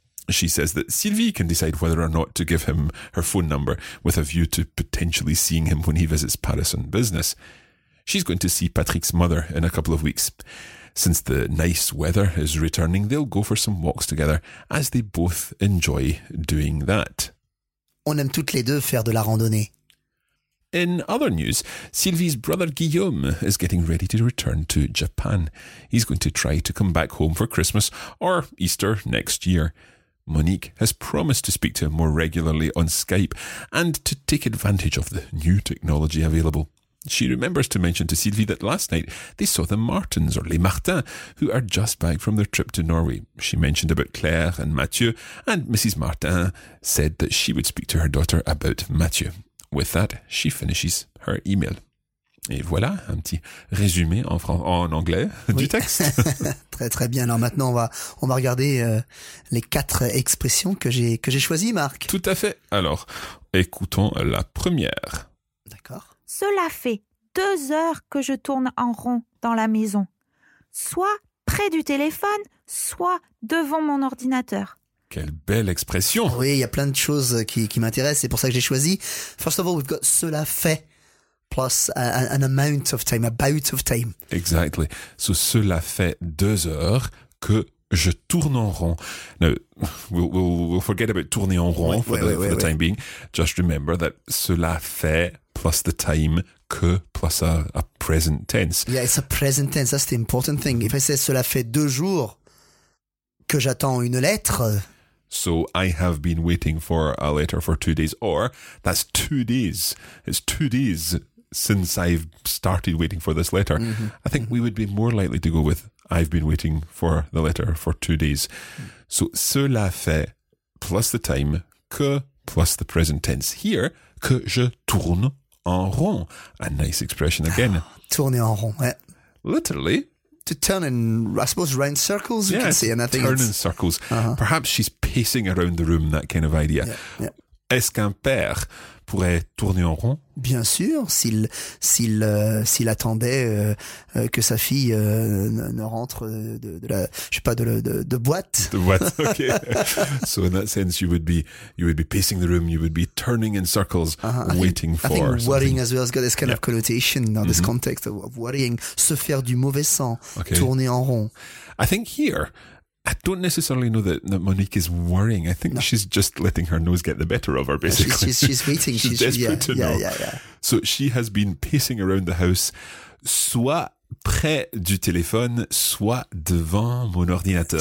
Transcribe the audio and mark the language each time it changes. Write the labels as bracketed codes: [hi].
[en] She says that Sylvie can decide whether or not to give him her phone number with a view to potentially seeing him when he visits Paris on business. She's going to see Patrick's mother in a couple of weeks. Since the nice weather is returning, they'll go for some walks together, as they both enjoy doing that. [fr] On aime toutes les deux faire de la randonnée. [en] In other news, Sylvie's brother Guillaume is getting ready to return to Japan. He's going to try to come back home for Christmas or Easter next year. Monique has promised to speak to him more regularly on Skype and to take advantage of the new technology available. She remembers to mention to Sylvie that last night they saw the Martins, or Les Martins, who are just back from their trip to Norway. She mentioned about Claire and Mathieu, and Mrs. Martin said that she would speak to her daughter about Mathieu. With that, she finishes her email. [fr] Et voilà, un petit résumé en anglais du texte. Très très bien. Alors maintenant, on va regarder les quatre expressions que j'ai choisies, Marc. Tout à fait. Alors, écoutons la première. D'accord. Cela fait 2 heures que je tourne en rond dans la maison. Soit près du téléphone, soit devant mon ordinateur. Quelle belle expression! Oui, il y a plein de choses qui m'intéressent, c'est pour ça que j'ai choisi. [en] First of all, we've got [fr] cela fait, [en] plus an amount of time, a bout of time. Exactly. So [fr] cela fait 2 heures que je tourne en rond. [en] Now, we'll forget about [fr] tourner en rond [en] time being. Just remember that [fr] cela fait [en] plus the time que plus a present tense. Yeah, it's a present tense, that's the important thing. If I say [fr] cela fait 2 jours que j'attends une lettre. [en] So I have been waiting for a letter for 2 days, or that's 2 days. It's 2 days since I've started waiting for this letter. Mm-hmm. I think we would be more likely to go with I've been waiting for the letter for 2 days. So [fr] cela fait [en] plus the time que plus the present tense here, [fr] que je tourne en rond. [en] A nice expression again. [fr] Tourner en rond, ouais. [en] Literally. To turn in, I suppose, round circles, yeah, you can see. Yeah, turn in circles. Uh-huh. Perhaps she's pacing around the room, that kind of idea. Yeah, yeah. [fr] Est-ce qu'un père pourrait tourner en rond? Bien sûr, s'il attendait que sa fille ne rentre de boîte. De boîte, ok. [en] So in that sense, you would be pacing the room, you would be turning in circles, uh-huh, waiting I think, for I think something. Worrying as well has got this kind, yeah, of connotation in, mm-hmm, this context of worrying, [fr] se faire du mauvais sang, [en] okay, [fr] tourner en rond. [en] I think here, I don't necessarily know that Monique is worrying. I think she's just letting her nose get the better of her, basically. Yeah, she's waiting. she's desperate to know. Yeah, yeah. So she has been pacing around the house. [fr] Soit près du téléphone, soit devant mon ordinateur.